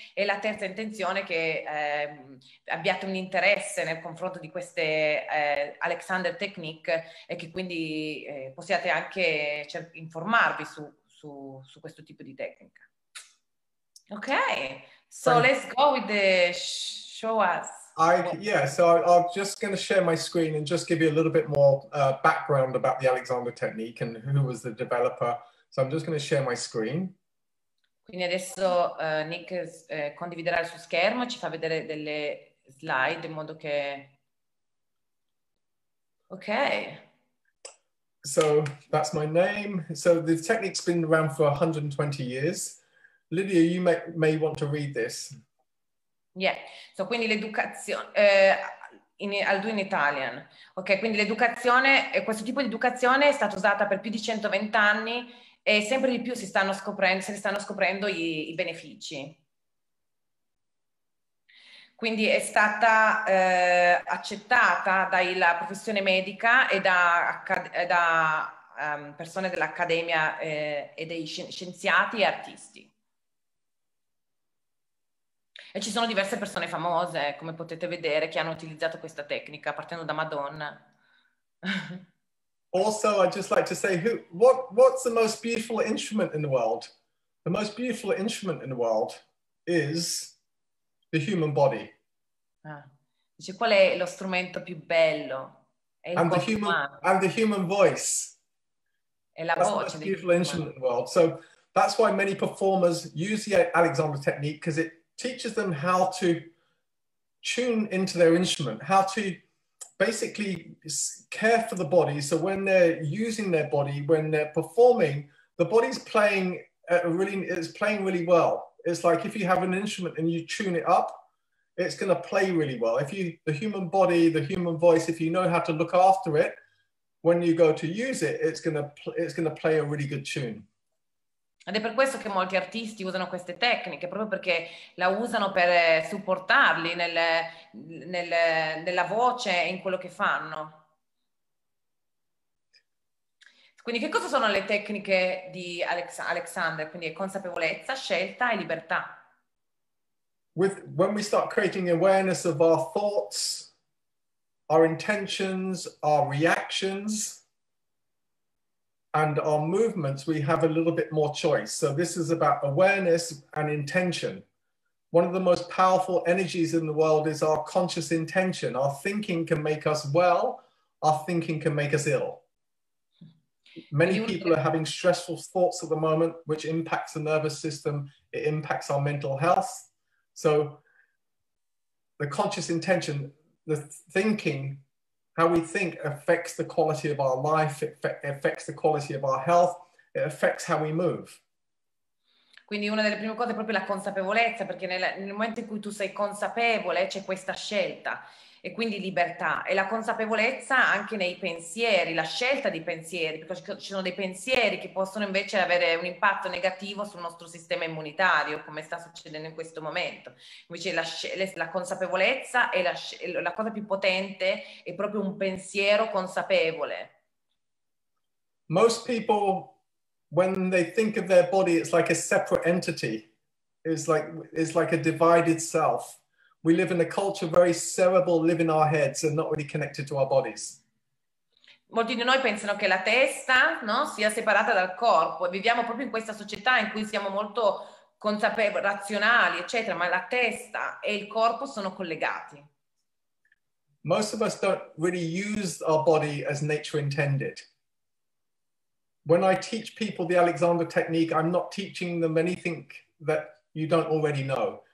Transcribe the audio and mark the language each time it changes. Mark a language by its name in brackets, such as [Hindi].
[Italian] E la terza intenzione è che abbiate un interesse nel confronto di queste Alexander Technique e che quindi possiate anche informarvi su questo tipo di tecnica. [English] Ok, so let's go with the show us. I'm just going to share my screen and just give you a little bit more background about the Alexander Technique and who was the developer. So I'm just going to share my screen. [Italian] Quindi adesso Nick condividerà il suo schermo, ci fa vedere delle slide in modo che. [English] Okay. So that's my name. So the technique's been around for 120 years. Lydia, you may want to read this. Yeah, so [Italian] quindi l'educazione, [English] I'll do in Italian. [Italian] Ok, quindi l'educazione, questo tipo di educazione è stata usata per più di 120 anni e sempre di più se ne stanno scoprendo i benefici. Quindi è stata accettata dalla professione medica e da persone dell'accademia e dei scienziati e artisti. E ci sono diverse persone famose, come potete vedere, che hanno utilizzato questa tecnica, partendo da Madonna. [English] Also, I'd just like to say, what's the most beautiful instrument in the world? The most beautiful instrument in the world is the human body. [Italian] Dice, qual è lo strumento più bello? [English] And the human voice. [Italian] È la voce. [English] That's the most beautiful instrument in the world. So that's why many performers use the Alexander Technique, because it teaches them how to tune into their instrument, how to basically care for the body. So when they're using their body, when they're performing, the body's playing it's playing really well. It's like if you have an instrument and you tune it up, it's going to play really well. The human body, the human voice, if you know how to look after it, when you go to use it, it's going to play a really good tune. [Italian] Ed è per questo che molti artisti usano queste tecniche, proprio perché la usano per supportarli nella voce e in quello che fanno. Quindi che cosa sono le tecniche di Alexander? Quindi è consapevolezza, scelta e libertà. [English] When we start creating awareness of our thoughts, our intentions, our reactions, and our movements, we have a little bit more choice. So this is about awareness and intention. One of the most powerful energies in the world is our conscious intention. Our thinking can make us well, our thinking can make us ill. Many people are having stressful thoughts at the moment, which impacts the nervous system, it impacts our mental health. So the conscious intention, the thinking, how we think affects the quality of our life, affects the quality of our health, it affects how we move. [Italian] Quindi una delle prime cose è proprio la consapevolezza, perché nel momento in cui tu sei consapevole c'è questa scelta. e quindi libertà, e la consapevolezza anche nei pensieri, la scelta di pensieri, perché ci sono dei pensieri che possono invece avere un impatto negativo sul nostro sistema immunitario, come sta succedendo in questo momento. Invece la consapevolezza è la cosa più potente, è proprio un pensiero consapevole. [English] Most people, when they think of their body, it's like a separate entity. It's like a divided self. We live in a culture very cerebral, live in our heads and not really connected to our bodies. [Italian] Molti di noi pensano che la testa, no, sia separata dal corpo. Viviamo proprio in questa società in cui siamo molto consapevoli, razionali, eccetera, ma la testa e il corpo sono collegati. [English] Most of us don't really use our body as nature intended. When I teach people the Alexander technique, I'm not teaching them anything that you don't already know.